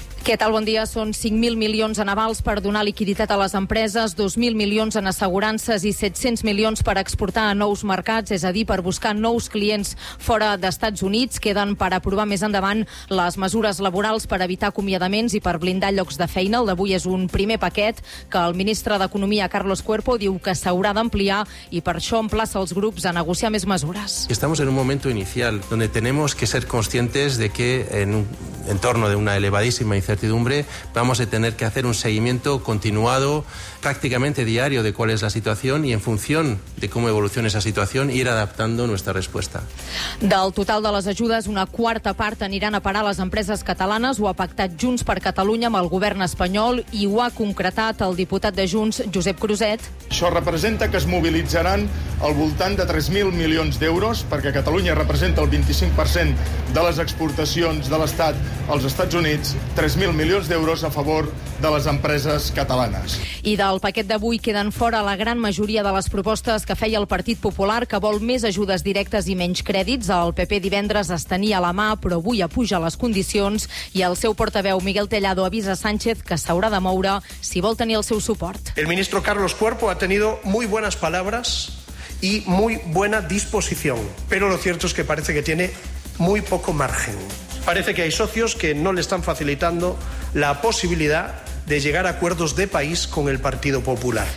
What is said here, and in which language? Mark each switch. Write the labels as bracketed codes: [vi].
[ca] Què tal? Bon dia. Són 5.000 milions en avals per donar liquiditat a les empreses, 2.000 milions en assegurances i 700 milions per exportar a nous mercats, és a dir, per buscar nous clients fora d'Estats Units. Queden per aprovar més endavant les mesures laborals per evitar acomiadaments i per blindar llocs de feina. El d'avui és un primer paquet que el ministre d'Economia, Carlos Cuerpo, diu que s'haurà d'ampliar i per això emplaça els grups a negociar més mesures. [es] Estamos en un momento inicial donde tenemos que ser conscientes de que en un entorno de una elevadísima incertidumbre, vamos a tener que hacer un seguimiento continuado, prácticamente diario, de cuál es la situación y en función de cómo evoluciona esa situación, ir adaptando nuestra respuesta. [ca] Del total de les ajudes, una quarta part aniran a parar a les empreses catalanes. Ho ha pactat Junts per Catalunya amb el govern espanyol i ho ha concretat el diputat de Junts, Josep Cruzet. Això representa que es mobilitzaran al voltant de 3.000 milions d'euros, perquè Catalunya representa el 25% de les exportacions de l'Estat als Estats Units, 3.000 milions d'euros a favor de les empreses catalanes. I del paquet d'avui queden fora la gran majoria de les propostes que feia el Partit Popular, que vol més ajudes directes i menys crèdits. El PP divendres es tenia a la mà, però avui apuja les condicions i el seu portaveu, Miguel Tellado, avisa Sánchez que s'haurà de moure si vol tenir el seu suport. [es] El ministro Carlos Cuerpo ha tenido muy buenas palabras y muy buena disposición, pero lo cierto es que parece que tiene muy poco margen. Parece que hay socios que no le están facilitando la posibilidad de llegar a acuerdos de país con el Partido Popular.